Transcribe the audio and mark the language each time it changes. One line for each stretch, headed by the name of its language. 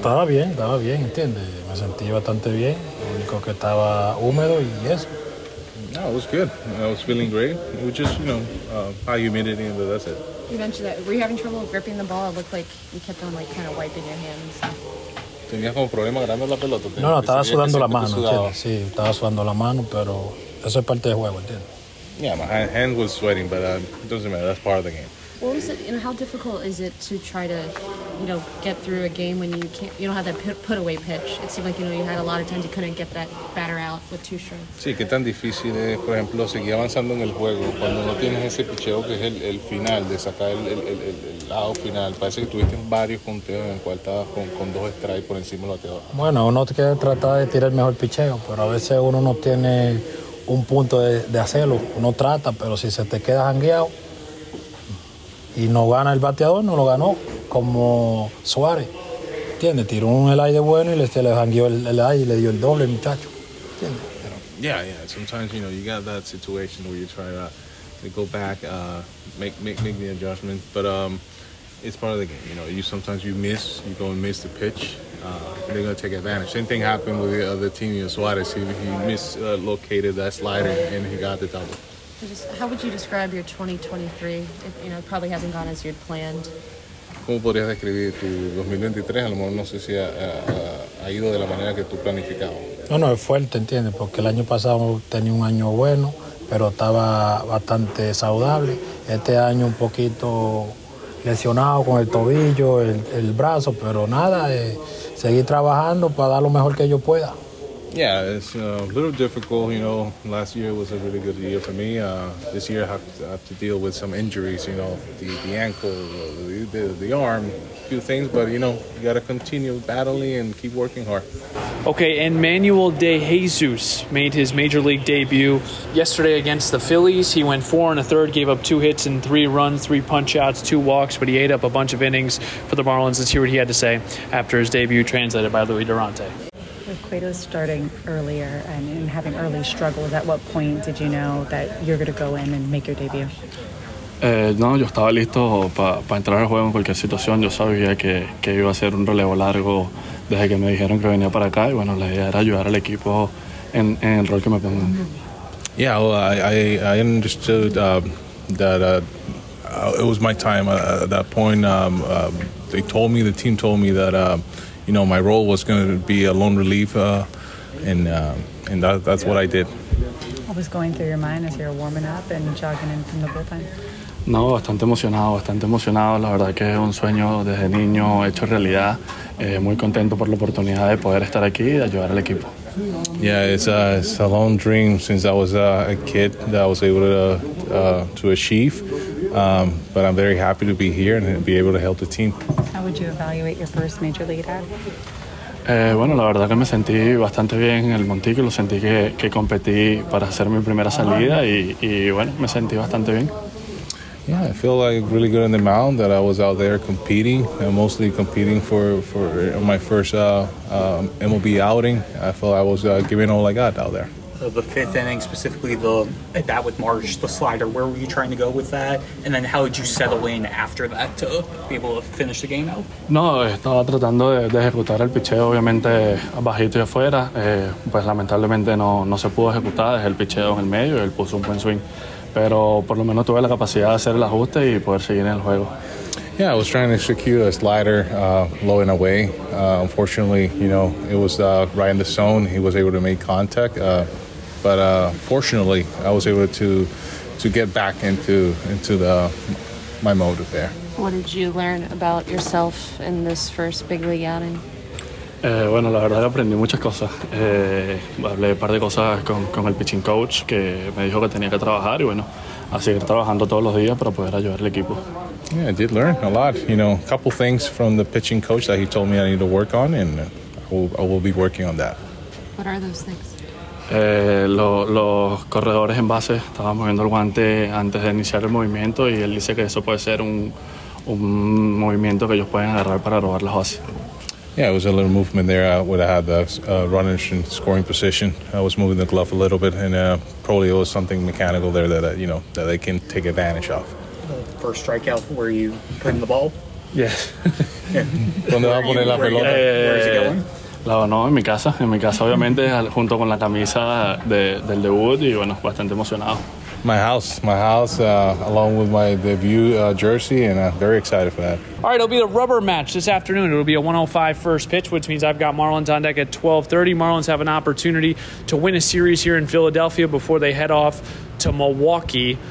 Spanish: No, estaba bien, ¿entiendes? Me sentí bastante bien. Lo único que estaba húmedo y eso.
English: No, it was good. I was feeling great. It was just, you know, high humidity, but that's it. You mentioned that. Were you having trouble gripping the ball? It looked like you kept on, like, kind of wiping your hands.
Spanish: ¿Tenías como problema grande la pelota? No, estaba sudando la mano, ¿entiendes? Sí, estaba sudando la mano, pero eso es parte del juego, ¿entiendes?
English: Yeah, my hand was sweating, but it doesn't matter. That's part of the game. What was it, and how difficult is it to try to, you know, get through a game when you don't have that put away pitch? It seemed like, you know, you had a lot of times you couldn't get that batter out with two strikes.
Spanish: Sí, qué tan difícil es, por ejemplo, seguir avanzando en el juego cuando no tienes ese picheo que es el final, de sacar el lado final. Parece que tuviste varios conteos en el cual estabas con dos strikes por encima del bateador. Bueno, uno quiere tratar de tirar el mejor picheo, pero a veces uno no tiene un punto de hacerlo, uno trata, pero si se te queda jangueado y no gana el bateador, no lo ganó, como Suárez, ¿entiendes? Tiró un el aire bueno y le jangueó el aire y le dio el doble, muchacho, ¿entiendes?
English: Yeah, sometimes, you know, you got that situation where you try to go back, make the adjustment, but it's part of the game, you know, you sometimes miss the pitch. They're going to take advantage. Same thing happened with the other team, you know, Suarez. He mislocated that slider, and he got the double. Just, how would you describe your 2023? You know, it probably hasn't gone as you'd planned.
Spanish: ¿Cómo podrías describir tu 2023? A lo mejor no sé si ha ido de la manera que tú planificabas. No, es fuerte, ¿entiendes? Porque el año pasado tenía un año bueno, pero estaba bastante saludable. Este año un poquito lesionado con el tobillo, el brazo, pero nada, seguir trabajando para dar lo mejor que yo pueda.
English: Yeah, it's a little difficult, you know. Last year was a really good year for me. This year I have to deal with some injuries, you know, the ankle, the arm, a few things, but, you know, you got to continue battling and keep working hard. Okay, and Manuel De Jesus made his Major League debut yesterday against the Phillies. He went 4 1/3, gave up 2 hits and 3 runs, 3 punch-outs, 2 walks, but he ate up a bunch of innings for the Marlins. Let's hear what he had to say after his debut, translated by Louis Durante. With Cueto starting earlier and having early struggles, at what point did you know that you're going to go in and make your debut?
Spanish: No, yo estaba listo para entrar al juego en cualquier situación. Yo sabía que iba a ser un relevo largo desde que me dijeron que venía para acá. Y bueno, la idea era ayudar al equipo en el rol que me pongan.
English: Yeah, well, I understood that it was my time at that point. The team told me that you know, my role was going to be a lone relief, and that's what I did. What was going through your mind as you were warming up and jogging in from the bullpen?
Spanish: No, bastante emocionado. La verdad que es un sueño desde niño hecho realidad. Muy contento por la oportunidad de poder estar aquí y ayudar al equipo.
English: Yeah, it's a long dream since I was a kid that I was able to achieve. But I'm very happy to be here and be able to help the team. How would you evaluate your first major league at?
Spanish: Bueno, la verdad que me sentí bastante bien en el montículo. Sentí que competí para hacer mi primera salida y bueno, me sentí bastante bien.
English: Yeah, I feel like really good on the mound that I was out there competing, and mostly competing for my first MLB outing. I feel I was giving all I got out there. The fifth inning, specifically the at bat with Marsh, the slider, where were you trying to go with that? And then how did you settle in after that to be able to finish the game out?
Spanish: No, estaba tratando de ejecutar el picheo, obviamente, bajito y afuera. Pues lamentablemente no se pudo ejecutar, es el picheo en el medio, él puso un buen swing. Pero por lo menos tuve la capacidad de hacer el ajuste y poder seguir en el juego.
English: Yeah, I was trying to execute a slider low and away. Unfortunately, you know, it was right in the zone. He was able to make contact. But fortunately, I was able to get back into the my mode there. What did you learn about yourself in this first big league outing?
Spanish: Bueno, la verdad que aprendí muchas cosas. Hablé un par de cosas con el pitching coach, que me dijo que tenía que trabajar y bueno, a seguir trabajando todos los días para poder ayudar al equipo.
English: Yeah, I did learn a lot. You know, a couple things from the pitching coach that he told me I need to work on, and I will be working on that. What are those things?
Spanish: Los corredores en base estaban moviendo el guante antes de iniciar el movimiento y él dice que eso puede ser un movimiento que ellos pueden agarrar para robar las bases.
English: Yeah, it was a little movement there where I had the runners in scoring position. I was moving the glove a little bit, and probably it was something mechanical there that, you know, that they can take advantage of. First strikeout, were you putting the ball? Yes.
Spanish: ¿Dónde va a poner la pelota?
English: Where is it going?
Spanish: No, en mi casa. En mi casa, obviamente, junto con la camisa del debut, y bueno, bastante emocionado.
English: My house, along with my debut jersey, and very excited for that. All right, it'll be the rubber match this afternoon. It'll be a 1:05 first pitch, which means I've got Marlins on deck at 12:30. Marlins have an opportunity to win a series here in Philadelphia before they head off to Milwaukee.